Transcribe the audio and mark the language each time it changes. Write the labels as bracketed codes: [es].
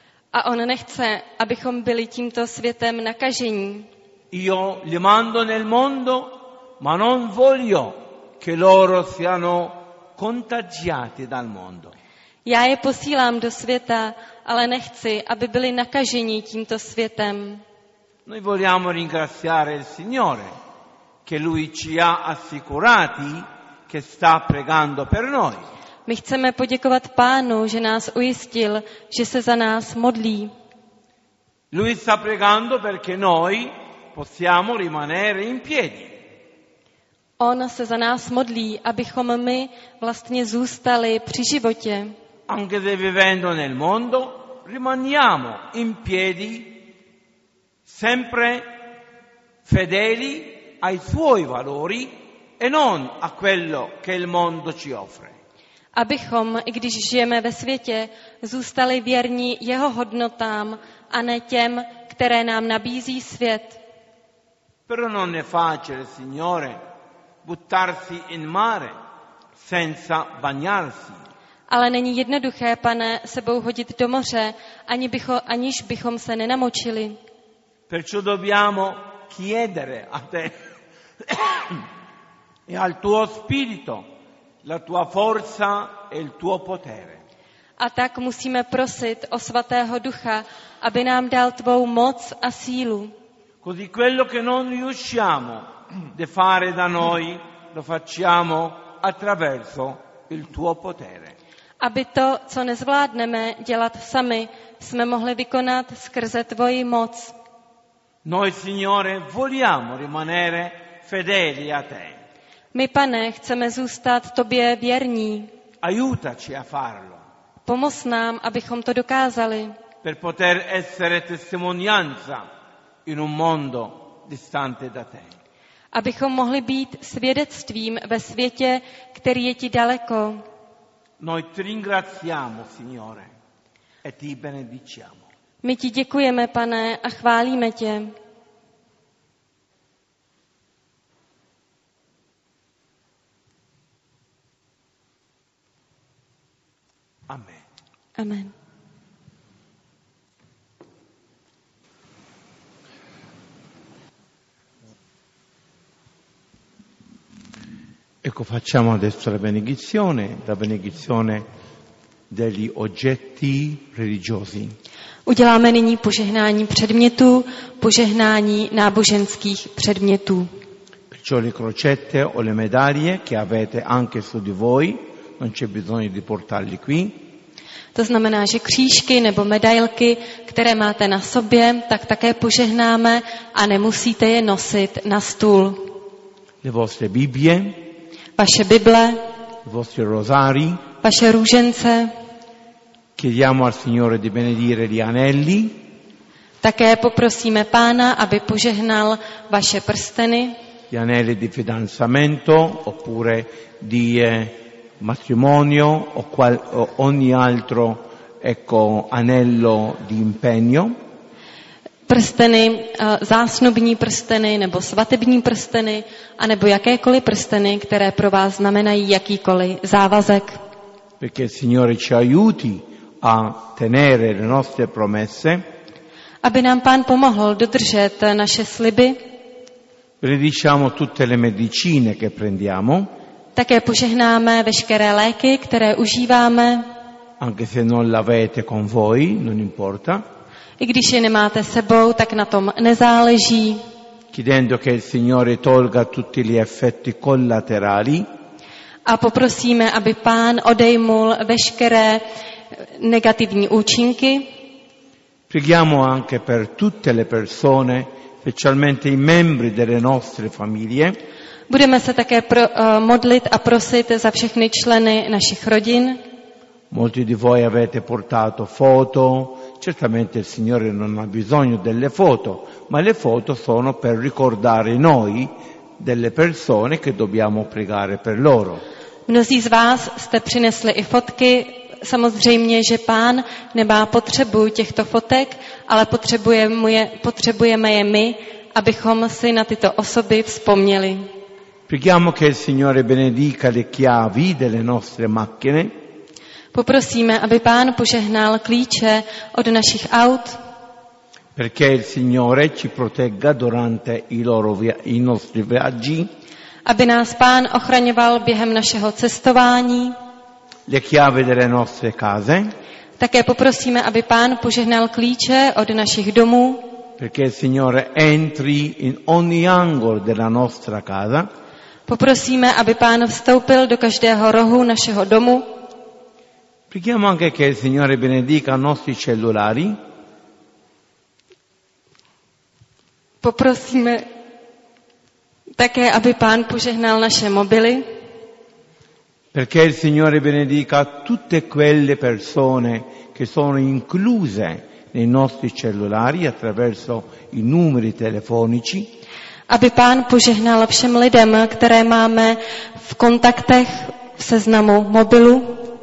[cs] A on nechce, abychom byli tímto světem nakažení. [it] Io li mando nel mondo, ma non voglio che loro siano contagiati dal mondo. [cs] Já je posílám do světa, ale nechci, aby byli nakaženi tímto světem. [it] Noi vogliamo ringraziare il Signore che lui ci ha assicurati che sta pregando per noi. [cs] My chceme poděkovat Pánu, že nás ujistil, že se za nás modlí. [it] Lui sta pregando perché noi possiamo rimanere in piedi. [cs] On se za nás modlí, abychom my vlastně zůstali při životě. [it] Anche se vivendo nel mondo, rimaniamo in piedi sempre fedeli ai suoi valori e non a quello che il mondo ci offre. [cs] Abychom, i když žijeme ve světě, zůstali věrní jeho hodnotám a ne těm, které nám nabízí svět. [it] Però non è facile, signore, buttarsi in mare senza bagnarsi. [cs] Ale není jednoduché, pane, sebou hodit do moře, aniž bychom se nenamočili. [it] Perciò dobbiamo chiedere a te e al tuo spirito la tua forza e il tuo potere. [cs] A tak musíme prosit o svatého ducha, aby nám dal tvou moc a sílu. [it] Così quello che non riusciamo di fare da noi lo facciamo attraverso il tuo potere. [cs] Aby to, co nezvládneme dělat sami, jsme mohli vykonat skrze tvoji moc. [it] Noi, Signore, vogliamo rimanere fedeli a te. [cs] My, pane, chceme zůstat tobě věrní. [it] Aiutaci a farlo. [cs] Pomoz nám, abychom to dokázali. [it] Per poter essere testimonianza in un mondo distante da te. [cs] Abychom mohli být svědectvím ve světě, který je ti daleko. [it] Noi ti ringraziamo, Signore. e ti benediciamo. [cs] My ti děkujeme, Pane, a chválíme tě. [it] Amen. [cs] Amen. [it] Ecco, facciamo adesso la benedizione degli oggetti religiosi. [cs] Uděláme nyní požehnání předmětů, požehnání náboženských předmětů. [it] Perciò le crocette o le medaglie che avete anche su di voi, non c'è bisogno di portarli qui. [cs] To znamená, že křížky nebo medailky, které máte na sobě, tak také požehnáme a nemusíte je nosit na stůl. [it] Le vostre Bibbie. [cs] Vaše Bible. [it] Vostri rosari. [cs] Vaše růžence. [it] Chiediamo al Signore di benedire gli anelli. [cs] Také poprosíme Pána, aby požehnal vaše prsteny. [it] Gli anelli di fidanzamento oppure di matrimonio o qual o ogni altro ecco anello di impegno. [cs] Prsteny, zásnubní prsteny nebo svatební prsteny a nebo jakékoliv prsteny, které pro vás znamenají jakýkoliv závazek. [it] Perché il Signore ci aiuti a tenere le nostre promesse. [cs] Aby nám Pán pomohl dodržet naše sliby. [it] Benediciamo tutte le medicine che prendiamo. [cs] Také požehnáme veškeré léky, které užíváme. [it] Anche se non l'avete con voi, non importa. [cs] I když je nemáte sebou, tak na tom nezáleží. [it] Chiedendo che il Signore tolga tutti gli effetti collaterali. [cs] A poprosíme, aby Pán odejmul veškeré negativní účinky. [it] Preghiamo anche per tutte le persone, specialmente i membri delle nostre famiglie. [cs] Budeme se také modlit a prosit za všechny členy našich rodin. [it] Molti di voi avete portato foto. Certamente il Signore non ha bisogno delle foto, ma le foto sono per ricordare noi delle persone che dobbiamo pregare per loro. [cs] Mnozí z vás jste přinesli i fotky. Samozřejmě, že Pán nemá potřebu těchto fotek, ale potřebujeme je my, abychom si na tyto osoby vzpomněli. [it] Preghiamo che il Signore benedica le chiavi delle nostre macchine. [cs] Poprosíme, aby Pán požehnal klíče od našich aut. [it] Perché il Signore ci protegga durante i nostri viaggi. [cs] Aby nás Pán ochraňoval během našeho cestování. [it] Le chiavi delle nostre case. [cs] Také poprosíme, aby Pán požehnal klíče od našich domů. [it] Perché il Signore entri in ogni angolo della nostra casa. [cs] Poprosíme, aby Pán vstoupil do každého rohu našeho domu. [it] Preghiamo anche che il Signore benedica i nostri cellulari. [cs] Poprosíme také, aby Pán požehnal naše mobily. [it] Perché il Signore benedica tutte quelle persone che sono incluse nei nostri cellulari attraverso i numeri telefonici. [cs] Aby Pán požehnal všem lidem, které máme v kontaktech v seznamu mobilu.